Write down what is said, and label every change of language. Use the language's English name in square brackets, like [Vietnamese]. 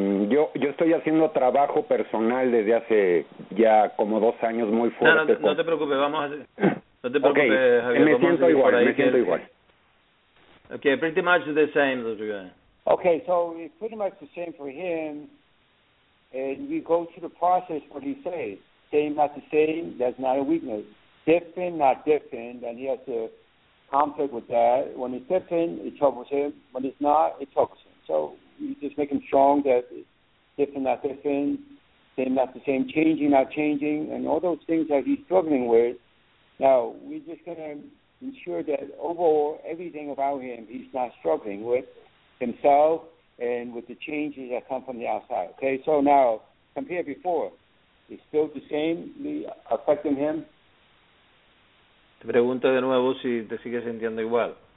[Spanish] Yo estoy haciendo trabajo personal desde hace ya como 2 años muy fuerte. No te preocupes, vamos a hacer. No te preocupes, okay. Javier. Me siento igual, [English] Okay, pretty much the same. Okay, so it's pretty much the same for him. And we go through the process, what he says. Same, not the same, that's not a weakness. Different, not different, and he has to conflict with that. When it's different, it troubles him. When it's not, it troubles him. So you just make him strong that it's different, same not the same, changing, not changing, and all those things that he's struggling with. Now, we're just going to ensure that overall, everything about him, he's not struggling with himself and with the changes that come from the outside. Okay, so now, compare before, is still the same affecting him? [Spanish] Te pregunto de nuevo si te sigues sintiendo igual.